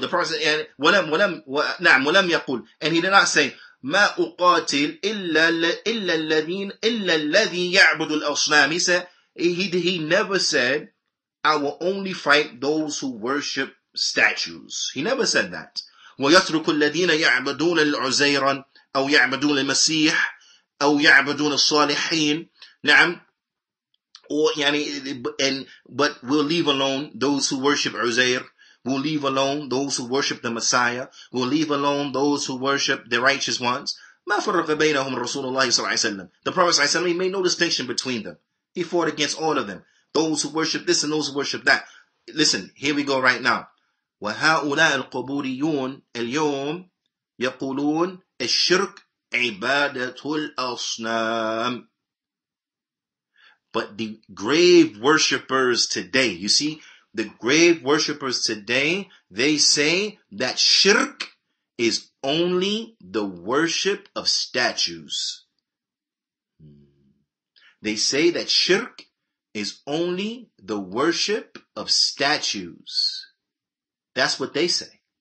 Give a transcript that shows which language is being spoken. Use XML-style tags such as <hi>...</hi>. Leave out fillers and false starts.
<en>The Prophet said,</en> <ar>walam yaqul.</ar> <en>And he did not say,</en> <ar>ma uqatil illa alladhi ya'budu al-asnam.</ar> <en>He said, he never said, I will only fight those who worship statues. He never said that.</en> <ar>وَيَتْرُكُ الَّذِينَ يَعْبَدُونَ الْعُزَيْرًا أَوْ يَعْبَدُونَ الْمَسِيحِ أَوْ يَعْبَدُونَ الصَّالِحِينَ نعم or, يعني,</ar> <en>and, but we'll leave alone those who worship Uzair. We'll leave alone those who worship the Messiah. We'll leave alone those who worship the righteous ones.</en> <ar>مَا فَرَّقَ بَيْنَهُمْ رَسُولُ اللَّهِ صَلَّى اللَّهِ عَلَيْهِ وَسَلَّمَ</ar> <en>The Prophet صلى الله عليه وسلم, he made no distinction between them. He fought against all of them. Those who worship this and those who worship that. Listen, here we go right now.</en> <ar>وهؤلاء القبوريون اليوم يقولون الشرك عبادة الأصنام.</ar> <en>But the grave worshippers today, you see, the grave worshippers today, they say that shirk is only the worship of statues. They say that shirk is only the worship of statues. That's what they say.</en>